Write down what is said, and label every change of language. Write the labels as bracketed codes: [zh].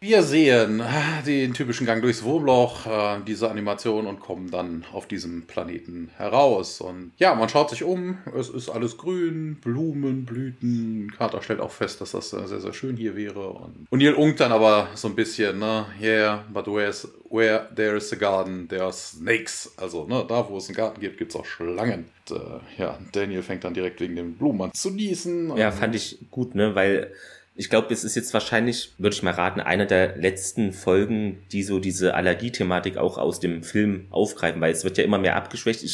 [de] Wir sehen den typischen Gang durchs Wurmloch, diese Animation, und kommen dann auf diesem Planeten heraus. Und ja, man schaut sich um, es ist alles grün, Blumen, Blüten. Carter stellt auch fest, dass das sehr, sehr schön hier wäre. Und O'Neill unkt dann aber so ein bisschen, ne? [en] Yeah, but where there is a garden, there are snakes. [de] Also, ne, da wo es einen Garten gibt, gibt es auch Schlangen. Und, ja, Daniel fängt dann direkt wegen den Blumen an zu niesen. Ja, fand ich gut, ne, weil ich glaube, es ist jetzt wahrscheinlich, würde ich mal raten, einer der letzten Folgen, die so diese Allergiethematik auch aus dem Film aufgreifen, weil es wird ja immer mehr abgeschwächt.